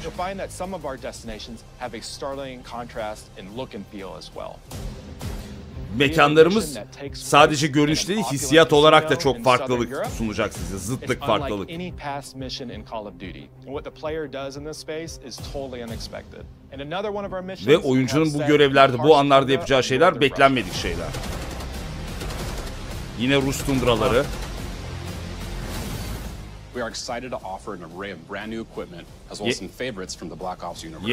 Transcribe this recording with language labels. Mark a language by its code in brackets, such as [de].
[en] Find that some of our destinations have a startling contrast in look and feel as well. [tr] Mekanlarımız sadece görünüş değil, hissiyat olarak da çok farklılık sunacak size. Zıtlık, farklılık. [en] Any past mission in Call of Duty. What the player does in this space is totally unexpected. And another one of our missions. [tr] Ve oyuncunun bu görevlerde, bu anlarda yapacağı şeyler beklenmedik şeyler. Yine Rus tundraları. [en] We are excited to offer an array of brand new equipment as well as some favorites from the Black Ops universe.